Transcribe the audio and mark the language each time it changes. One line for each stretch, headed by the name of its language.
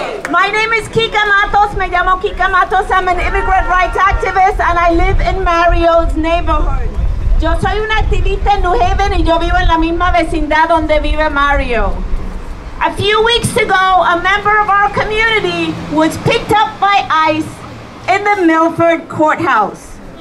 English: Kica Matos, I'm an immigrant rights activist and I live in Mario's neighborhood.
Spanish: Yo soy una activista en New Haven y yo vivo en la misma vecindad donde vive Mario.
English: A few weeks ago, a member of our community was picked up by ICE in the Milford courthouse.